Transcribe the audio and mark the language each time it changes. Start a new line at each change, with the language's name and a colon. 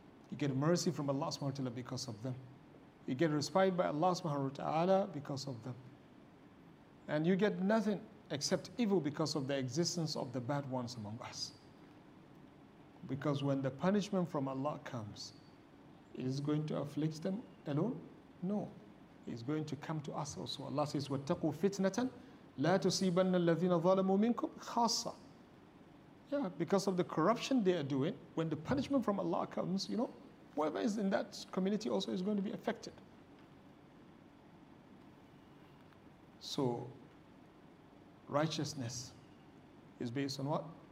English: You get mercy from Allah subhanahu wa ta'ala because of them. You get respite by Allah subhanahu wa ta'ala because of them. And you get nothing except evil because of the existence of the bad ones among us. Because when the punishment from Allah comes, it is going to afflict them alone? No. It's going to come to us also. Allah says,
Arabic: وَاتَّقُوا فِتْنَةً لَا تُصِيبَنَّ الَّذِينَ ظَلَمُوا مِنْكُمْ خَاصَّةً.
English: Yeah, because of the corruption they are doing, when the punishment from Allah comes, whoever is in that community also is going to be affected. So, righteousness is based on what?